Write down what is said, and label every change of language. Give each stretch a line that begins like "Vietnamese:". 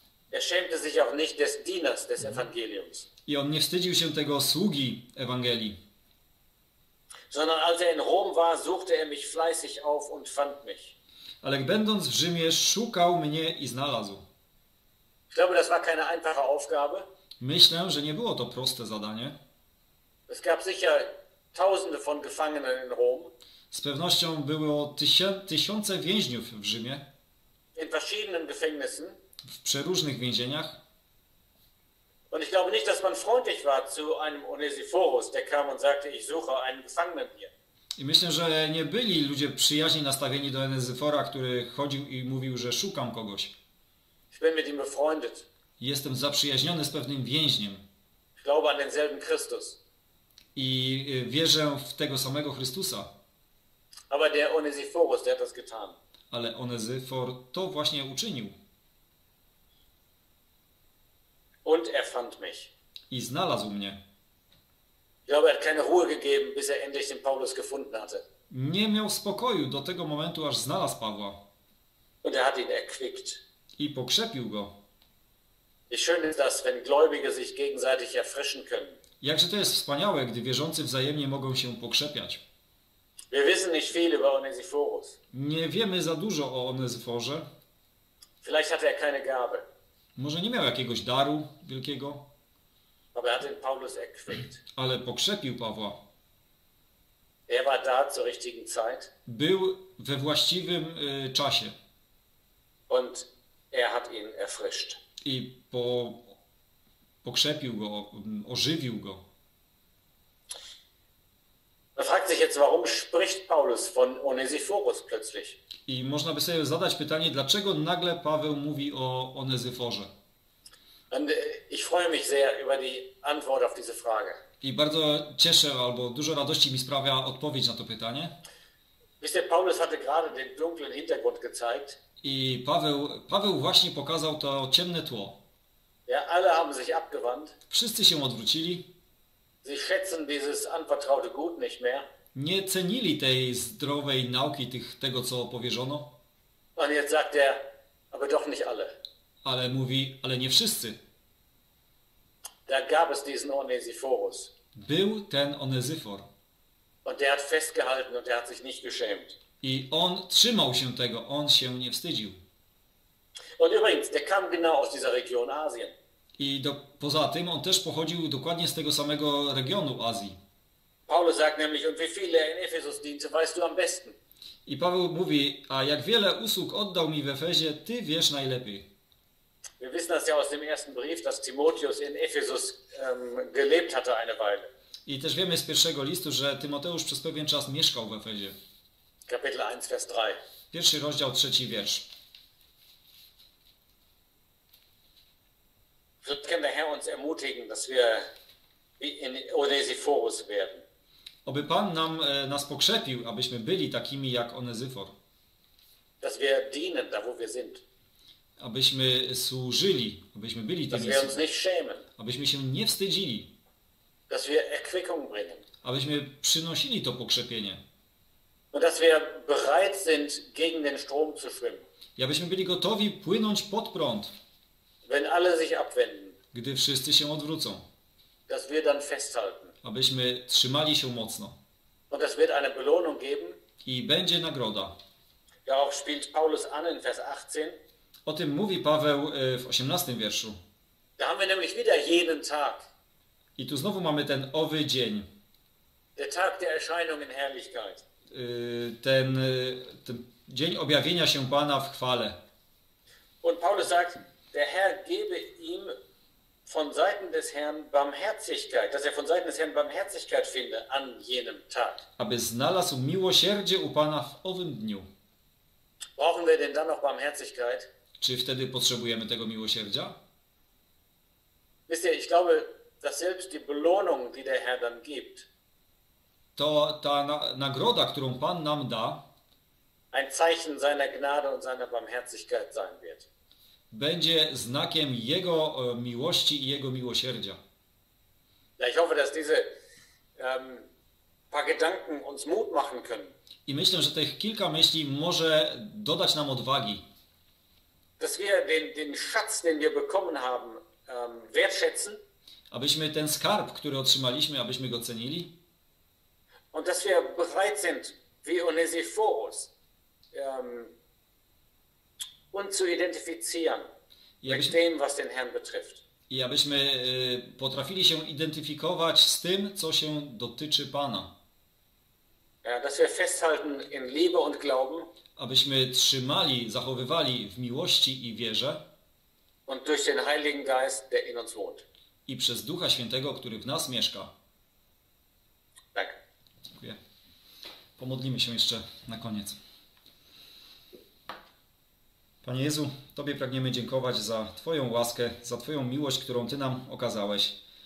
German: Er schämte sich auch nicht des Dieners des Evangeliums.
Polish: I on nie wstydził się tego sługi Ewangelii.
German: Sondern als er in Rom war, suchte er mich fleißig auf und fand mich.
Polish: Ale będąc w Rzymie, szukał mnie i znalazł.
German: Ich glaube, das war keine einfache Aufgabe.
Polish: Myślę, że nie było to proste zadanie.
German: Es gab sicher tausende von Gefangenen in Rom.
Polish: Z pewnością było tysiące więźniów w Rzymie.
German: In verschiedenen Gefängnissen.
Polish: W przeróżnych więzieniach.
German: Und ich glaube nicht, dass man freundlich war zu einem Onesiphorus, der kam und sagte, ich suche einen Gefangenen hier.
Polish: I myślę, że nie byli ludzie przyjaźni nastawieni do Onesiphora, który chodził i mówił, że szukam kogoś.
German: Ich bin mit ihm befreundet.
Polish: Jestem zaprzyjaźniony z pewnym więźniem.
German: Ich glaube an denselben Christus.
Polish: I wierzę w tego samego Chrystusa.
German: Aber der Onesiphorus, der hat das getan.
Polish: Ale Onesifor to właśnie uczynił.
German: Und er fand mich.
Polish: I znalazł mnie.
German: Ich glaube, er hat keine Ruhe gegeben, bis er endlich den Paulus gefunden hatte.
Polish: Nie miał spokoju do tego momentu, aż znalazł Pawła.
German: Und er hat ihn erquickt.
Polish: I pokrzepił go.
German: Wie schön ist das, wenn Gläubige sich gegenseitig erfrischen können.
Polish: Jakże to jest wspaniałe, gdy wierzący wzajemnie mogą się pokrzepiać.
German: Wir wissen nicht viel über Onesiphorus.
Polish: Nie wiemy za dużo o Onesiforze.
German: Vielleicht hatte er keine Gabe.
Polish: Może nie miał jakiegoś daru wielkiego.
German: Aber er hat den Paulus erquickt.
Polish: Ale pokrzepił Pawła.
German: Er war da zur richtigen Zeit.
Polish: Był we właściwym czasie.
German: Und er hat ihn erfrischt.
Polish: I pokrzepił go, ożywił go.
German: Man fragt sich jetzt, warum spricht Paulus von Onesiphorus plötzlich?
Polish: I można by sobie zadać pytanie, dlaczego nagle Paweł mówi o Onezyforze?
German: Und ich freue mich sehr über die Antwort auf diese Frage.
Polish: I bardzo cieszę, albo dużo radości mi sprawia odpowiedź na to pytanie.
German: Wisst ihr, Paulus hatte gerade den dunklen Hintergrund gezeigt.
Polish: I Paweł właśnie pokazał to ciemne tło.
German: Ja, alle haben sich abgewandt.
Polish: Wszyscy się odwrócili.
German: Sie schätzen dieses anvertraute Gut nicht mehr.
Polish: Nie cenili tej zdrowej nauki, tego co powierzono.
German: Und jetzt sagt er, aber doch nicht alle.
Polish: Ale mówi, ale nie wszyscy.
German: Da gab es diesen Onesiphorus.
Polish: Był ten Onezyfor.
German: Und der hat festgehalten und der hat sich nicht geschämt.
Polish: I on trzymał się tego, on się nie wstydził.
German: Und übrigens, der kam genau aus dieser Region Asien.
Polish: I poza tym on też pochodził dokładnie z tego samego regionu Azji.
German: Paulus sagt nämlich, und wie viele in Ephesus diente, weißt du am besten.
Polish: I Paweł mówi, a jak wiele usług oddał mi w Efezie, ty wiesz najlepiej.
German: Wir wissen das ja aus dem ersten Brief, dass Timotheus in Ephesus gelebt hatte eine Weile.
Polish: I też wiemy z pierwszego listu, że Tymoteusz przez pewien czas mieszkał w Efezie.
German: Kapitel 1, Vers 3.
Polish: Pierwszy rozdział, trzeci wiersz.
German: Vielleicht kann der Herr uns ermutigen, dass wir in Onesiphorus werden.
Polish: Oby Pan nas pokrzepił, abyśmy byli takimi jak Onezyfor.
German: Dass wir dienen, da wo wir sind.
Polish: Abyśmy służyli, abyśmy byli tymi,
German: dass wir uns nicht schämen.
Polish: Abyśmy się nie wstydzili.
German: Dass wir Erquickung bringen.
Polish: Abyśmy przynosili to pokrzepienie.
German: Und dass wir bereit sind, gegen den Strom zu schwimmen.
Polish: I abyśmy byli gotowi płynąć pod prąd.
German: Wenn alle sich abwenden.
Polish: Gdy wszyscy się odwrócą.
German: Dass wir dann festhalten.
Polish: Abyśmy trzymali się mocno.
German: Und es wird eine Belohnung geben.
Polish: I będzie nagroda.
German: Darauf spielt Paulus an in Vers 18.
Polish: O tym mówi Paweł w 18 wierszu.
German: Da haben wir nämlich wieder jeden Tag.
Polish: I tu znowu mamy ten owy dzień.
German: Der Tag der Erscheinung in Herrlichkeit.
Polish: Ten dzień objawienia się Pana w chwale.
German: Und Paulus sagt, der Herr gebe ihm von Seiten des Herrn Barmherzigkeit, dass er von Seiten des Herrn Barmherzigkeit finde an jenem Tag.
Polish: Aby znalazł miłosierdzie u Pana w owym dniu.
German: Brauchen wir denn dann noch Barmherzigkeit?
Polish: Czy wtedy potrzebujemy tego miłosierdzia?
German: Wisst ihr, ich glaube, dass selbst die Belohnung, die der Herr dann gibt,
Polish: to ta nagroda, którą Pan nam da,
German: ein Zeichen seiner Gnade und seiner Barmherzigkeit sein wird.
Polish: Będzie znakiem Jego miłości i Jego miłosierdzia.
German: Ja, ich hoffe, dass diese paar Gedanken uns Mut machen können.
Polish: I myślę, że tych kilka myśli może dodać nam odwagi.
German: Dass wir den Schatz, den wir bekommen haben, wertschätzen.
Polish: Abyśmy ten skarb, który otrzymaliśmy, abyśmy go cenili.
German: Und dass wir bereit sind, wie Onesiphorus, und zu identifizieren mit dem, was den Herrn betrifft.
Polish: I abyśmy potrafili się identyfikować z tym, co się dotyczy Pana.
German: Ja, dass wir festhalten in Liebe und Glauben.
Polish: Abyśmy trzymali, zachowywali w miłości i wierze.
German: Und durch den Heiligen Geist, der in uns wohnt.
Polish: I przez Ducha Świętego, który w nas mieszka. Tak. Dziękuję. Pomodlimy się jeszcze na koniec. Panie Jezu, Tobie pragniemy dziękować za Twoją łaskę, za Twoją miłość, którą Ty nam okazałeś.